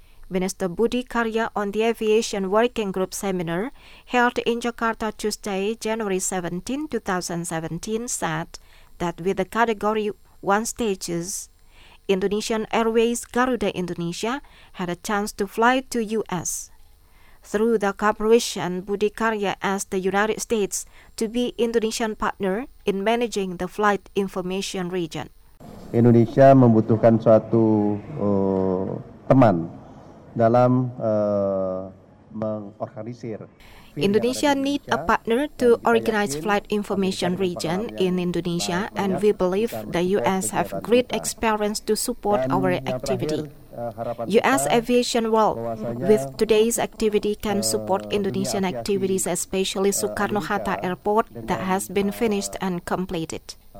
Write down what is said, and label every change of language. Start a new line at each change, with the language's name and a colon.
English: Minister Budi Karya on the Aviation Working Group seminar held in Jakarta Tuesday, January 17, 2017, said that with the Category 1 status, Indonesian Airways Garuda Indonesia had a chance to fly to U.S. Through the cooperation, Budi Karya asked the United States to be Indonesian partner in managing the flight information region.
Indonesian: Indonesia membutuhkan suatu teman dalam mengorganisir.
English: Indonesia need a partner to organize flight information region in Indonesia, and we believe the U.S. have great experience to support our activity. U.S. aviation world with today's activity can support Indonesian activities, especially Soekarno-Hatta Airport that has been finished and completed.